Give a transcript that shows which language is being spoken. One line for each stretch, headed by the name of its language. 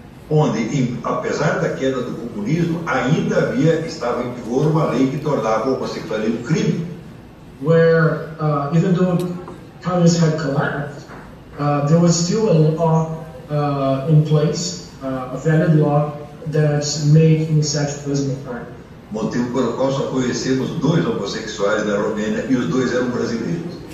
Portuguese: Onde, apesar da queda do comunismo, ainda havia estava em vigor uma lei que tornava o homossexualismo crime.
English: Where even though communism had collapsed, there was still a law in place, a valid law. That made homossexualism a crime.
Portuguese: Motivo pelo qual só conhecemos dois homossexuais da Romênia e os dois eram brasileiros.